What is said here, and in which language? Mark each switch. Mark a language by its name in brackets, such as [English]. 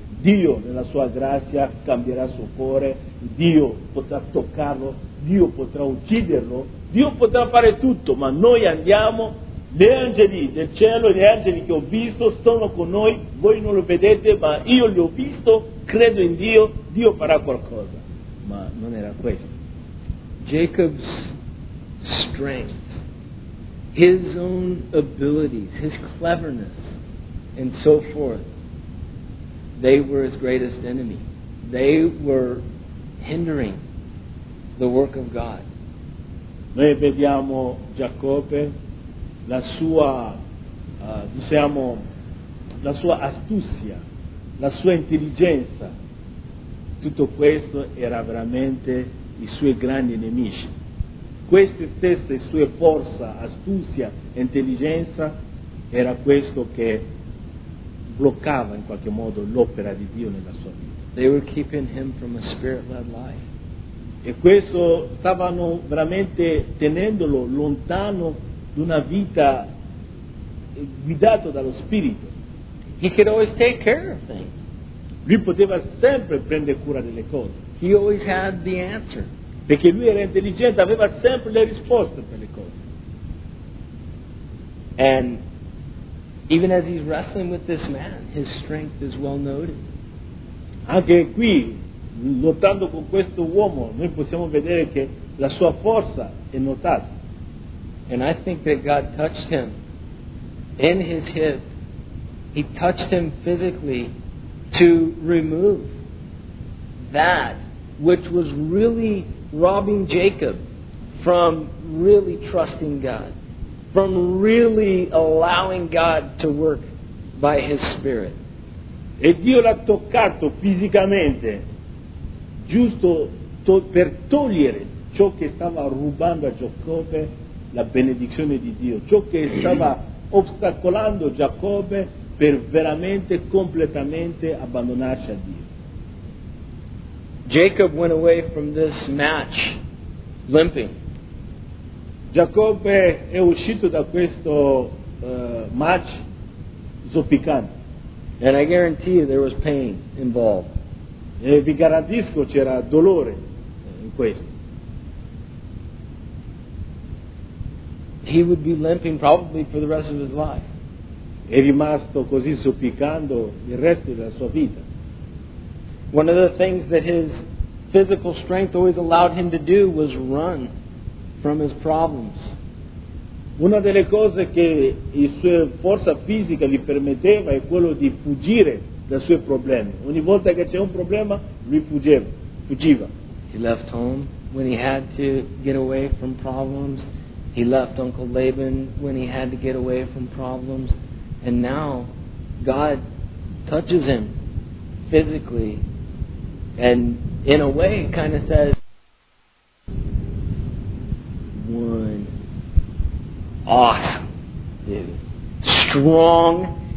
[Italian] Dio nella sua grazia cambierà il suo cuore, Dio potrà toccarlo, Dio potrà ucciderlo, Dio potrà fare tutto, ma noi andiamo, gli angeli del cielo, gli angeli che ho visto sono con noi, voi non lo vedete, ma io li ho visto, credo in Dio, Dio farà qualcosa. Ma non era questo. [English] Jacob's strength, his own abilities, his cleverness, and so forth, they were his greatest enemy. They were hindering the work of God. [Italian] Noi vediamo Giacobbe, la sua, diciamo, la sua astuzia, la sua intelligenza. Tutto questo era veramente i suoi grandi nemici. Queste stesse sue forze, astuzia, intelligenza, era questo che bloccava in qualche modo l'opera di Dio nella sua vita. [English] They were keeping him from a spirit-led life. [Italian] E questo stavano veramente tenendolo lontano da una vita guidata dallo Spirito. [English] He could always take care of things. [Italian] Lui poteva sempre prendere cura delle cose. [English] He always had the answer. [Italian] Perché lui era intelligente, aveva sempre le risposte per le cose. [English] And even as he's wrestling with this man, his strength is well noted. [Italian] Anche qui, lottando con questo uomo, noi possiamo vedere che la sua forza è notata. [English] And I think that God touched him in his hip. He touched him physically to remove that which was really robbing Jacob from really trusting God, from really allowing God to work by his Spirit. [Italian] E Dio l'ha toccato fisicamente, giusto per togliere ciò che stava rubando a Giacobbe la benedizione di Dio, ciò che stava ostacolando Giacobbe per veramente completamente abbandonarsi a Dio. [English] Jacob went away from this match limping. [Italian] Giacobbe è uscito da questo match zoppicante. [English] And I guarantee you there was pain involved. [Italian] E vi garantisco c'era dolore in questo. [English] He would be limping probably for the rest of his life. [Italian] È rimasto così zoppicando il resto della sua vita. [English] One of the things that his physical strength always allowed him to do was run from his problems. [Italian] Una delle cose che la sua forza fisica gli permetteva è quello di fuggire dai suoi problemi. Ogni volta che c'è un problema, lui fuggiva. [English] He left home when he had to get away from problems. He left Uncle Laban when he had to get away from problems. And now God touches him physically and in a way kind of says, one, awesome, dude, strong.